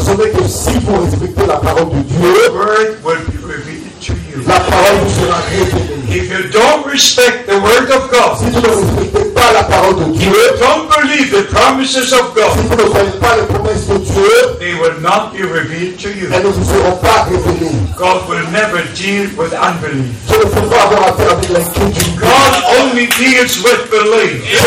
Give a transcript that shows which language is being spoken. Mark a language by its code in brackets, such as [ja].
[fr] Que si vous respectez la parole de Dieu, [en] the word will be revealed to you. [fr] La parole vous sera révélée. [en] If you don't respect the word of God, [fr] si vous ne respectez pas la parole de Dieu, [en] if you don't believe the promises of God, [fr] si vous ne croyez pas les promesses de Dieu, [en] they will not be revealed to you. [fr] Elles ne vous seront pas révélées. [en] God will never deal with unbelief. [fr] Dieu ne peut pas avoir affaire avec l'inquiétude. [en] God only deals with belief.